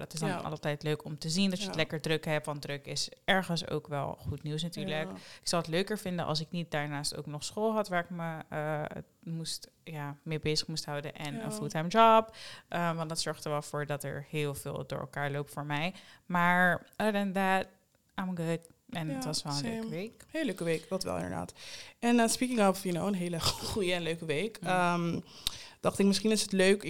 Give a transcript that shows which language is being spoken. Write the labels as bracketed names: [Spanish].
[Dutch] Dat is dan altijd leuk om te zien dat je het lekker druk hebt. Want druk is ergens ook wel goed nieuws natuurlijk. Ja. Ik zou het leuker vinden als ik niet daarnaast ook nog school had waar ik me mee bezig moest houden. En een fulltime job. Want dat zorgt er wel voor dat er heel veel door elkaar loopt voor mij. Maar [English] other than that, I'm good. [Dutch] En het was wel een leuke week. Hele leuke week, dat wel inderdaad. En [English] speaking of, [Dutch] een hele goede en leuke week. Dacht ik, misschien is het leuk.